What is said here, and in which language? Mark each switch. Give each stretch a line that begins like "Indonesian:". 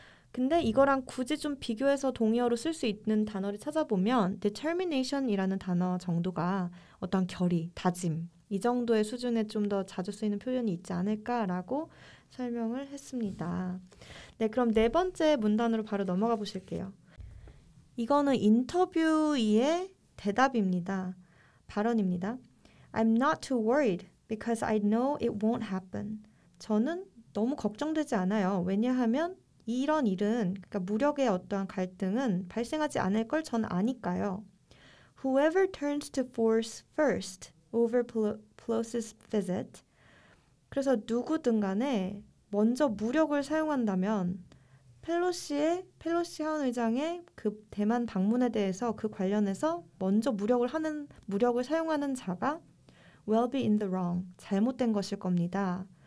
Korean: 근데 이거랑 굳이 좀 비교해서 동의어로 쓸 수 있는 단어를 찾아보면 determination이라는 단어 정도가 어떤 결의, 다짐 이 정도의 수준에 좀 더 자주 쓰이는 표현이 있지 않을까라고 설명을 했습니다. 네, 그럼 네 번째 문단으로 바로 넘어가 보실게요. 이거는 인터뷰의 대답입니다. 발언입니다.
English: I'm not too worried because I know it won't happen.
Korean: 저는 너무 걱정되지 않아요. 왜냐하면 이런 일은, 그러니까 무력의 어떠한 갈등은 발생하지 않을 걸 전 아니까요.
English: Whoever turns to force first over Pelosi's visit.
Korean: 그래서 누구든 간에 먼저 무력을 사용한다면 펠로시 하원 의장의 그 대만 방문에 대해서 그 관련해서 먼저 무력을 사용하는 자가
English: will be in the wrong,
Korean: 잘못된 것일 겁니다.